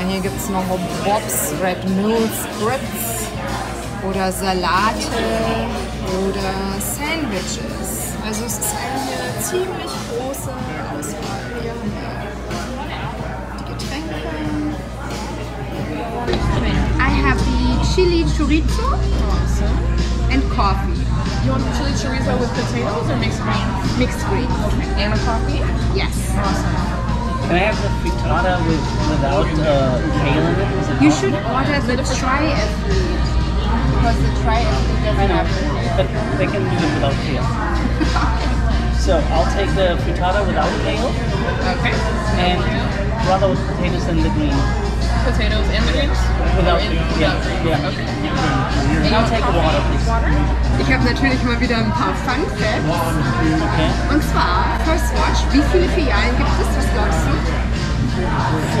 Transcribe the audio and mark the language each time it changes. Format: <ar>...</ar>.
<de>Hier gibt es noch Bob's Red Mills Grips oder Salate oder Sandwiches. Also es ist eine ziemlich große Auswahl. Hier haben wir die Getränke.</de> <en>I have the Chili Chorizo and Coffee. You want chili chorizo with potatoes or mixed greens? Mixed greens. Okay. And a coffee? Yes. Awesome. Can I have the frittata without kale in it? You should order the triathlete. Because the triathlete doesn't have kale. But they can do it without kale. So I'll take the frittata without kale. Okay. And rather with potatoes than the green. Potatoes and the greens? Without green. Yeah. Okay. And I'll take the water, please. Water?</en> <de>Ich habe natürlich mal wieder ein paar Fun Facts.</de> <en>Okay.</en> <de>Und zwar, First Watch, wie viele Filialen gibt es, was glaubst du?</de>